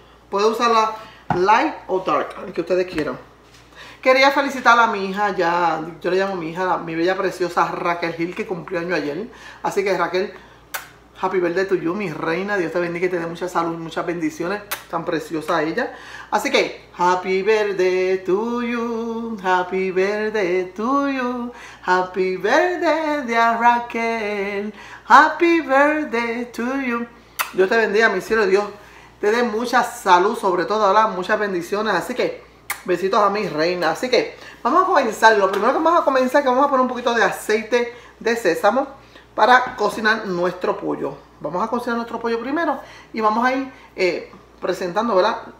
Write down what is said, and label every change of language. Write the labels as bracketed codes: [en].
[es] Puede usar la light o dark, el que ustedes quieran. Quería felicitar a mi hija, ya, yo le llamo mi hija, mi bella preciosa Raquel Gil, que cumplió año ayer. Así que Raquel, [en] happy birthday to you, [es] mi reina, Dios te bendiga y te dé mucha salud, muchas bendiciones, tan preciosa ella. Así que, [en] happy birthday to you, happy birthday to you, happy birthday dear Raquel, happy birthday to you. [es] Dios te bendiga, mi cielo, Dios te dé mucha salud, sobre todo, ¿verdad? Muchas bendiciones, así que besitos a mi reina. Así que vamos a comenzar. Lo primero que vamos a comenzar es que vamos a poner un poquito de aceite de sésamo para cocinar nuestro pollo. Vamos a cocinar nuestro pollo primero y vamos a ir presentando, ¿verdad?